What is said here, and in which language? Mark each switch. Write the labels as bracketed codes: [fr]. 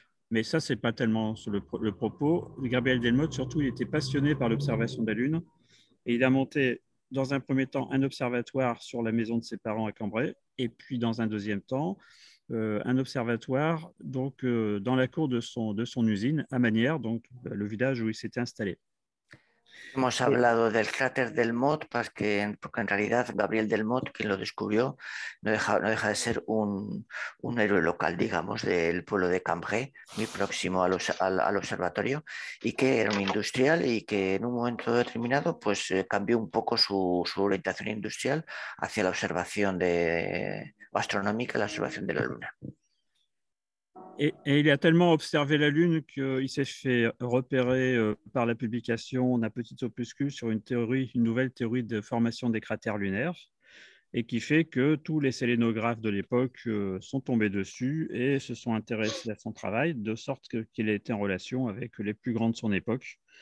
[fr] Mais ça, ce n'est pas tellement le propos. Gabriel Delmotte, surtout, il était passionné par l'observation de la Lune. Et il a monté dans un premier temps un observatoire sur la maison de ses parents à Cambrai. Et puis dans un deuxième temps, un observatoire donc dans la cour de son usine à Manières, donc le village où il s'était installé. [es] Hemos hablado del cráter Delmotte porque en realidad Gabriel Delmotte, quien lo descubrió, no deja de ser un héroe local, digamos, del pueblo de Cambrai, muy próximo al observatorio, y que era un industrial y que en un momento determinado pues cambió un poco su orientación industrial hacia la observación astronómica, la observación de la Luna. [fr] Et il a tellement observé la Lune qu'il s'est fait repérer par la publication d'un petit opuscule sur une nouvelle théorie de formation des cratères lunaires, et qui fait que tous les sélénographes de l'époque sont tombés dessus et se sont intéressés à son travail, de sorte qu'il a été en relation avec les plus grands de son époque.